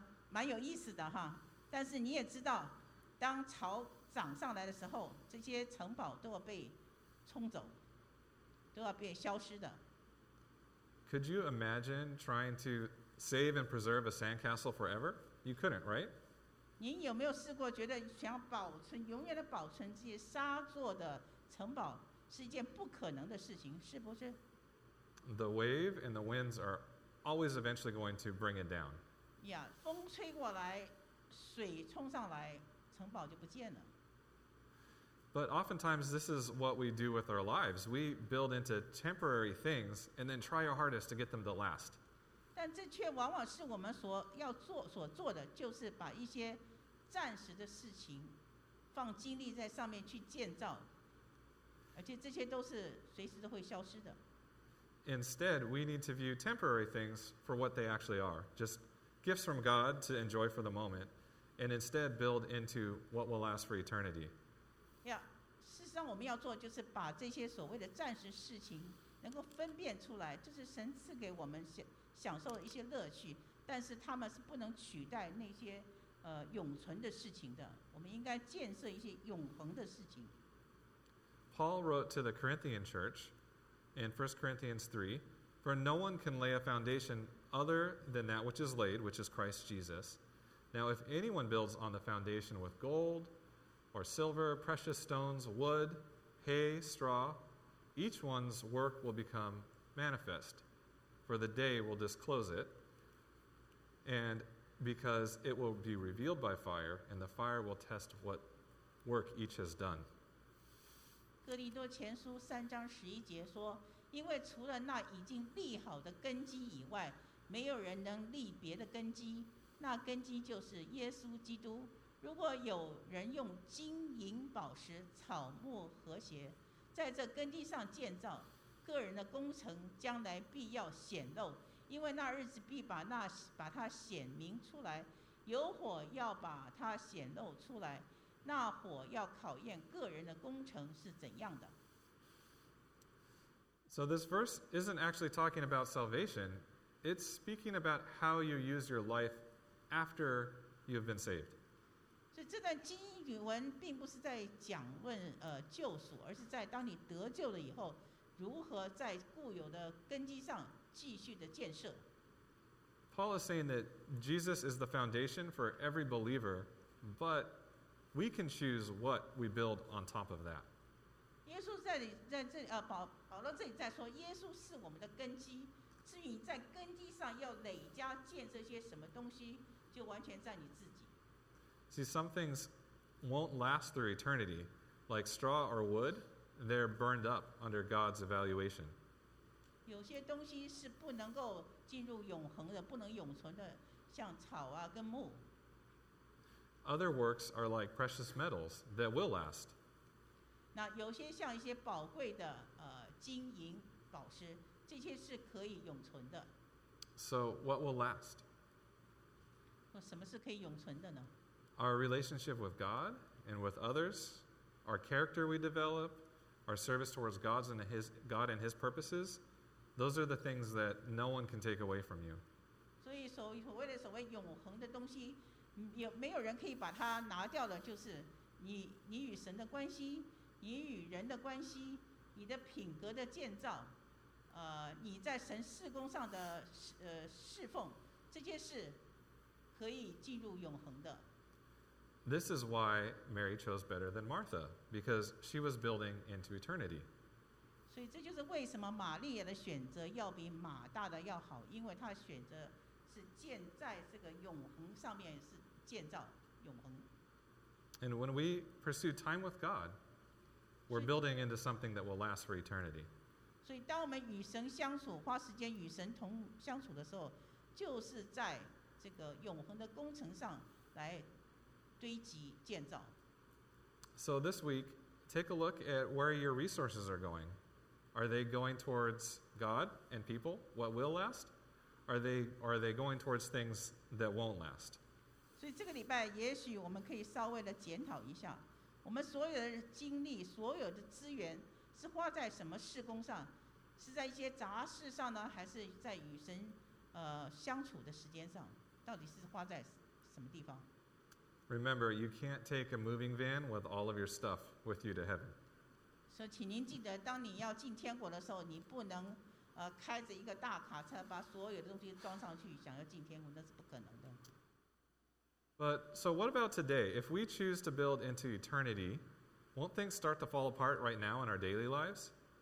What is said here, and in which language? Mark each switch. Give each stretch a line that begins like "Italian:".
Chinese: 蛮有意思的哈，但是你也知道，当潮涨上来的时候，这些城堡都要被冲走，都要被消失的。
English: Could you imagine trying to save and preserve a sandcastle forever? You couldn't, right?
Chinese: 您有没有试过觉得想要保存永远的保存这些沙做的城堡是一件不可能的事情，是不是？
English: The wave and the winds are always eventually going to bring it down. Yeah,
Chinese: 风吹过来，水冲上来，城堡就不见了。
English: But oftentimes this is what we do with our lives. We build into temporary things and then try our hardest to get them to last.
Chinese: 但这却往往是我们所要做所做的，就是把一些暂时的事情放精力在上面去建造，而且这些都是随时都会消失的。
English: Instead, we need to view temporary things for what they actually are, just gifts from God to enjoy for the moment, and instead build into what will last for eternity. Yeah,
Chinese: 事实上我们要做就是把这些所谓的暂时事情能够分辨出来，这是神赐给我们享受一些乐趣，但是他们是不能取代那些永存的事情的。我们应该建设一些永恒的事情。
English: Paul wrote to the Corinthian church in 1 Corinthians 3, For no one can lay a foundation other than that which is laid, which is Christ Jesus. Now if anyone builds on the foundation with gold or silver, precious stones, wood, hay, straw, each one's work will become manifest. For the day will disclose it, and because it will be revealed by fire, and the fire will test what work each has done.
Chinese: 哥林多前书三章十一节说，因为除了那已经立好的根基以外，没有人能立别的根基，那根基就是耶稣基督。如果有人用金银宝石、草木和谐，在这根基上建造。个人的工程将来必要显露，因为那日子必把它显明出来，有火要把它显露出来，那火要考验个人的工程是怎样的。
English: So this verse isn't actually talking about salvation, It's speaking about how you use your life after you've been saved.
Chinese: 这段经文并不是在讲论救赎，而是在当你得救了以后，如何在固有的根基上继续的建设。
English: Paul is saying that Jesus is the foundation for every believer, but we can choose what we build on top of that.
Chinese: 耶稣在里在这呃保保罗这里在说，耶稣是我们的根基，至于你在根基上要累加建设些什么东西，就完全在你自己。
English: See, some things won't last through eternity, like straw or wood. They're burned up under God's evaluation.
Chinese: 有些东西是不能够进入永恒的，不能永存的，像草啊跟木。
English: Other works are like precious metals that will last.
Chinese: 那有些像一些宝贵的金银宝石，这些是可以永存的。
English: So what will last?
Chinese: 什么是可以永存的呢？
English: Our relationship with God and with others, our character we develop, our service towards God's and His, God and His purposes, those are the things that no one can take away from you.
Chinese: 所以所谓永恒的东西，没有人可以把它拿掉的，就是你与神的关系，你与人的关系，你的品格的建造，你在神事工上的侍奉，这些是可以进入永恒的。
English: This is why Mary chose better than Martha, because she was building into eternity.
Chinese: 所以这就是为什么玛利亚的选择要比马大的要好，因为她选择是建在这个永恒上面，是建造永恒。
English: And when we pursue time with God, we're building into something that will last for eternity.
Chinese: 所以当我们与神相处，花时间与神同相处的时候，就是在这个永恒的工程上来堆积建造。
English: So this week, take a look at where your resources are going. Are they going towards God and people, what will last? Are they going towards things that won't last?
Chinese: 所以这个礼拜，也许我们可以稍微的检讨一下，我们所有的精力、所有的资源是花在什么事工上？是在一些杂事上呢，还是在与神相处的时间上？到底是花在什么地方？
English: Remember, you can't take a moving van with all of your stuff with you to heaven. So,
Chinese: 请您记得，当你要进天国的时候，你不能开着一个大卡车把所有的东西装上去，想要进天国，那是不可能的。
English: But so, what about today? If we choose to build into eternity, won't things start to fall apart right now in our daily lives?